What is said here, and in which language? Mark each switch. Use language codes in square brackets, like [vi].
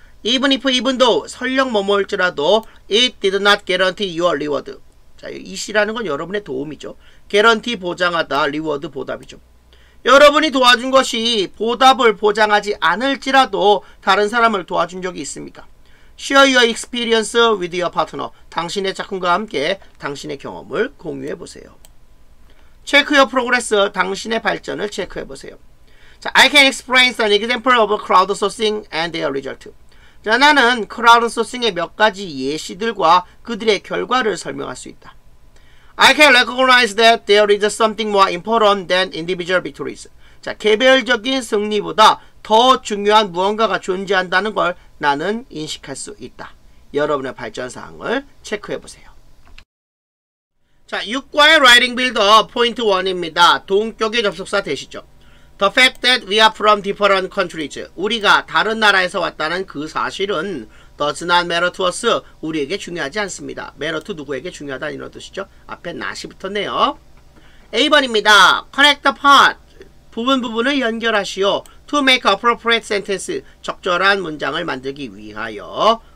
[en] Even if, even though, [ko] 설령 뭐뭐일지라도 [en] it did not guarantee your reward. [ko] 자, it이라는 건 여러분의 도움이죠. Guarantee 보장하다, reward 보답이죠. 여러분이 도와준 것이 보답을 보장하지 않을지라도 다른 사람을 도와준 적이 있습니까? [en] Share your experience with your partner. [ko] 당신의 작품과 함께 당신의 경험을 공유해 보세요. [en] Check your progress. [ko] 당신의 발전을 체크해 보세요. [en] 자, I can explain an example of crowdsourcing and their result. [ko] 자, 나는 크라우드소싱의 몇 가지 예시들과 그들의 결과를 설명할 수 있다. [en] I can recognize that there is something more important than individual victories. [ko] 자, 개별적인 승리보다 더 중요한 무언가가 존재한다는 걸 나는 인식할 수 있다. 여러분의 발전사항을 체크해보세요. 자, 6과의 writing builder point 1입니다. 동격의 접속사 되시죠. [en] The fact that we are from different countries. [ko] 우리가 다른 나라에서 왔다는 그 사실은 [en] does not matter to us. [ko] 우리에게 중요하지 않습니다. matter to 누구에게 중요하다는 이런 뜻이죠. 앞에 not이 붙었네요. A번입니다. [en] Connect the part. [ko] 부분 부분을 연결하시오. [en] To make appropriate sentence. [ko] 적절한 문장을 만들기 위하여.